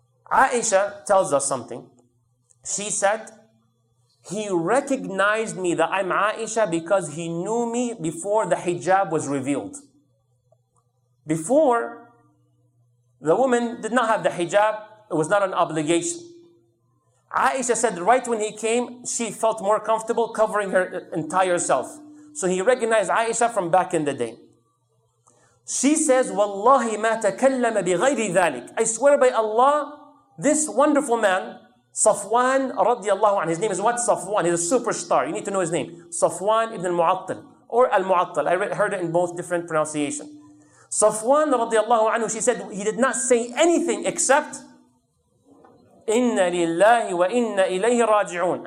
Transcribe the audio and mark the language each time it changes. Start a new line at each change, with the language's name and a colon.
English: Aisha tells us something. She said, he recognized me that I'm Aisha because he knew me before the hijab was revealed. Before, the woman did not have the hijab. It was not an obligation. Aisha said right when he came, she felt more comfortable covering her entire self. So he recognized Aisha from back in the day. She says,
Arabic: وَاللَّهِ مَا تَكَلَّمَ بِغَيْرِ ذَلِكَ.
English: I swear by Allah, this wonderful man, Safwan radiallahu anhu, his name is what? Safwan, he's a superstar. You need to know his name. Safwan ibn al-Mu'attil or al-Mu'attil. I heard it in both different pronunciations. Safwan radiallahu anhu, she said, he did not say anything except
Arabic: إِنَّ لِلَّهِ وَإِنَّ إِلَيْهِ رَاجِعُونَ.